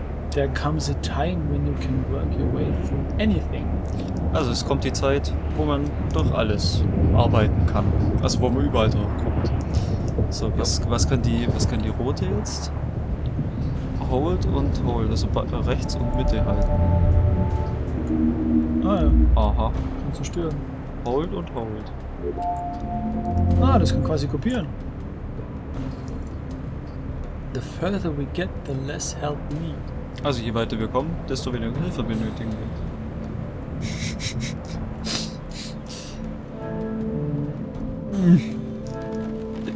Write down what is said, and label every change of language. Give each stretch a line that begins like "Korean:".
English: There comes a time when you can work your way through anything.
German: Also es kommt die Zeit, wo man durch alles arbeiten kann. Also wo man überall drauf kommt. So, was kann die rote jetzt? Hold und hold, also rechts und Mitte halten. Ah ja. Aha. Kann zerstören. Hold und hold. Ah, das kann quasi kopieren.
English: The further we get, the less help we need.
German: Also je weiter wir kommen, desto weniger Hilfe benötigen wir.